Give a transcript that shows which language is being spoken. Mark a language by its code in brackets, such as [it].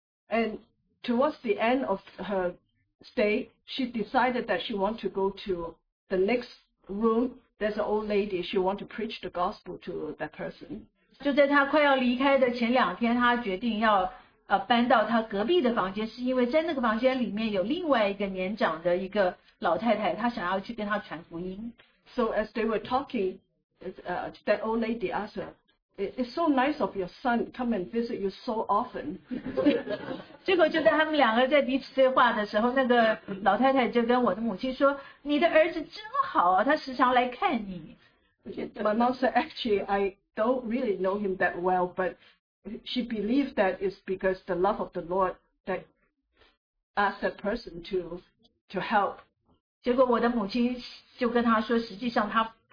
[en] And towards the end of her stay, she decided that she wanted to go to the next room. There's an old lady. She wanted to preach the gospel to that person. [zh] 就在她快要离开的前两天，她决定要搬到她隔壁的房间，是因为在那个房间里面有另外一个年长的一个老太太，她想要去跟她传福音。 [en] So as they were talking, that old lady asked her, "It's so nice of your son come and visit you so often." [zh] 结果就在他们两个在彼此对话的时候，那个老太太就跟我的母亲说：“你的儿子真好啊，他时常来看你。” [en] My mom said, "Actually, I don't really know him that well, but she believed that it's because the love of the Lord that asked that person to help." [zh] 结果我的母亲就跟他说，实际上他。